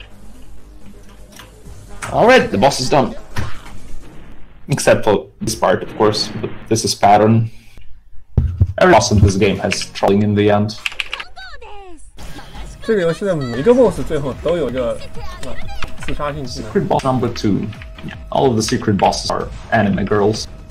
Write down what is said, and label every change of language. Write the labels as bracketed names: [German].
[English] Mm-hmm. Alright, the boss is done. Except for this part, of course, but this is pattern. Every boss in this game has trolling in the end. [Chinese] 这个游戏的每一个boss最后都有一个自杀性技能 [English] Secret boss number 2. All of the secret bosses are anime girls.